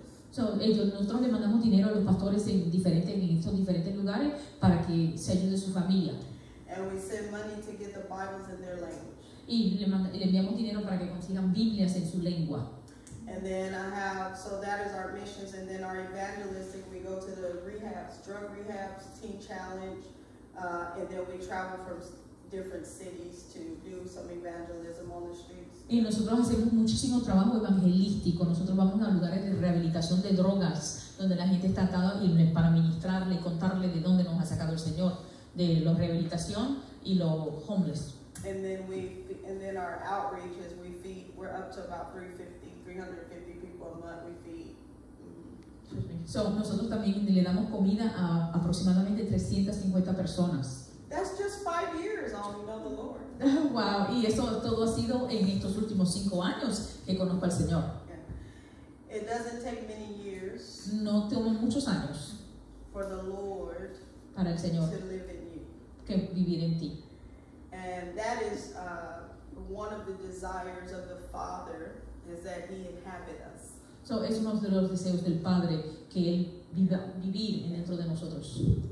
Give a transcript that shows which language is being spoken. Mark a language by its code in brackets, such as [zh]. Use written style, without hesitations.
[es] So ellos nosotros le mandamos dinero a los pastores en estos diferentes lugares para que se ayude su familia. [en] And we send money to get the Bibles in their language. [es] Y le enviamos dinero para que consigan Biblias en su lengua. [en] And then I have, so that is our missions, and then our evangelistic, we go to the rehabs, drug rehabs, teen challenge, and then we travel from different cities to do some evangelism on the streets. [es] Y nosotros hacemos muchísimo trabajo evangelístico. Nosotros vamos a lugares de rehabilitación de drogas donde la gente está atada y para ministrarle, contarle de dónde nos ha sacado el Señor, de la rehabilitación y los homeless. [en] And then our outreach is we feed, we're up to about 350 people a month we feed. [es] So nosotros también le damos comida a aproximadamente 350 personas. [en] That's just 5 years on the Lord. [es] Wow, y eso todo ha sido en estos últimos 5 años que conozco al Señor. [en] Yeah. It doesn't take many years. [es] No toma muchos años. [en] For the Lord. [es] Para el Señor. [en] To live in you. [es] Que vivir en ti. [en] And that is one of the desires of the Father is that He inhabit us. [es] So es uno de los deseos del Padre que él vivir dentro de nosotros.